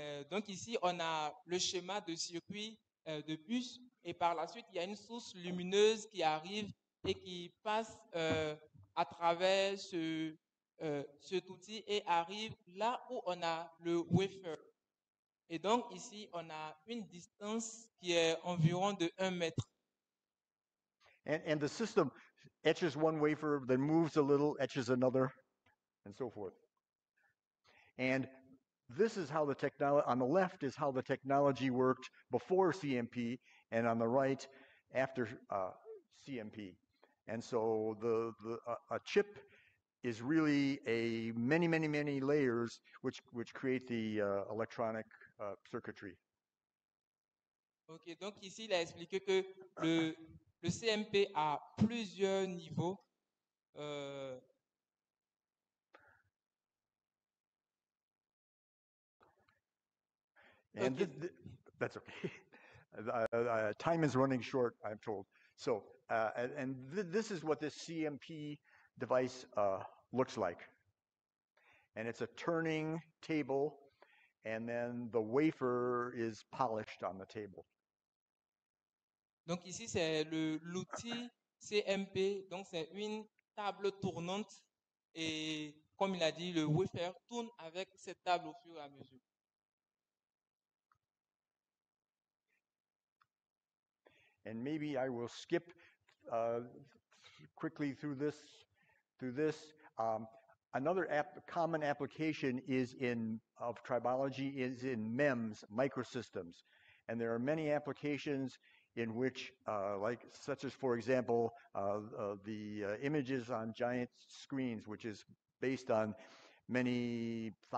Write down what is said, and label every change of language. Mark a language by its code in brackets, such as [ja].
[fr] Donc ici, on a le schéma de circuit de bus, et par la suite, il y a une source lumineuse qui arrive et qui passe à travers cet outil et arrive là où on a le wafer. Et donc ici, on a une distance qui est environ de 1 mètre. [en] And the system etches one wafer, then moves a little, etches another, and so forth. And this is how the technology, on the left is how the technology worked before CMP, and on the right, after CMP. And so a chip is really a many, many, many layers which create the electronic circuitry. [fr] Okay, donc ici, il a expliqué que le CMP a plusieurs niveaux. [en] And okay. That's okay. Time is running short, I'm told. So, this is what this CMP device looks like. And it's a turning table, and then the wafer is polished on the table. [fr] Donc ici, c'est l'outil CMP, donc c'est une table tournante, et comme il a dit, le wafer tourne avec cette table au fur et à mesure. [en] And maybe I will skip quickly through this. Another common application of tribology is in MEMS, microsystems, and there are many applications in which, for example, the images on giant screens, which is based on many